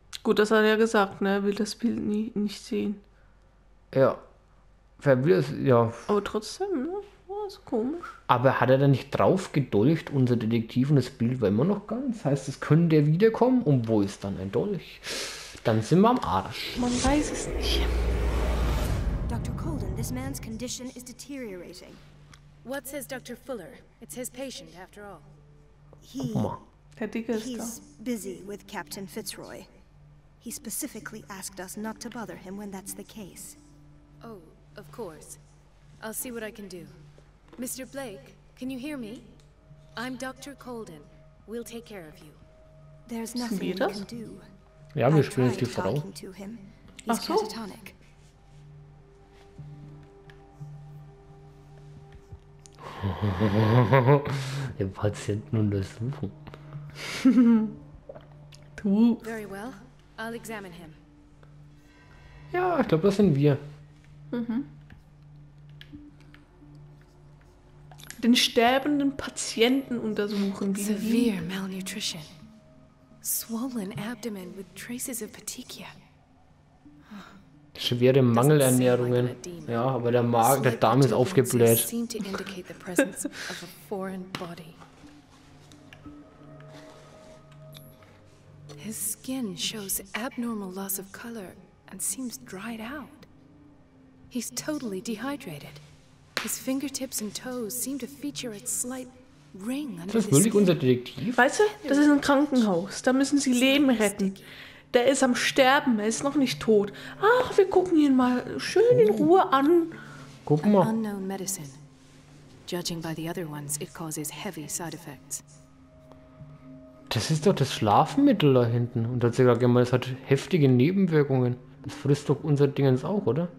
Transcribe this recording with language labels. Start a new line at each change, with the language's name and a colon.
German: Gut, das hat er ja gesagt, ne? Er will das Bild nicht sehen. Ja. Wer will es, ja. Aber trotzdem, ne? Oh, ist komisch. Aber hat er da nicht drauf gedolcht, unser Detektiv, und das Bild war immer noch ganz? Heißt, es könnte er wiederkommen? Und wo ist dann ein Dolch? Dann sind wir am Arsch. Man weiß es nicht.
English: Dr. Colden, this man's condition is deteriorating. What says Dr. Fuller? It's his patient, after all.
German: He, guck mal. Der Dicke ist he's da.
English: Busy with Captain Fitzroy. He specifically asked us not to bother him when that's the case. Oh, of course. I'll see what I can do. Mr. Blake, can you hear me? I'm Dr. Colden. We'll take care of you. There's nothing we can do.
German: Ja, wir spielen jetzt die Frau. Ach so. Catatonic. Den Patienten untersuchen. Du.
English: Very well. I'll examine him.
German: Ja, ich glaube, das sind wir. Den sterbenden Patienten untersuchen.
English: Severe malnutrition. Swollen abdomen with traces of petechia.
German: Schwere Mangelernährungen. Ja, aber der Magen, der Darm ist aufgebläht.
English: Seem to indicate the presence of a foreign body. His skin shows abnormal loss of color and seems dried out. He's totally dehydrated. His fingertips and toes seem to feature a slight ring under the skin.
German: Ist das wirklich unser Detektiv? Weißt du, das ist ein Krankenhaus. Da müssen sie Leben retten. Der ist am Sterben. Er ist noch nicht tot. Ach, wir gucken ihn mal schön in Ruhe an. Guck mal.
English: An unknown medicine. Judging by the other ones, it causes heavy side effects.
German: Das ist doch das Schlafmittel da hinten. Und da hat sie gerade gemeint, es hat heftige Nebenwirkungen. Das frisst doch unser Dingens auch, oder?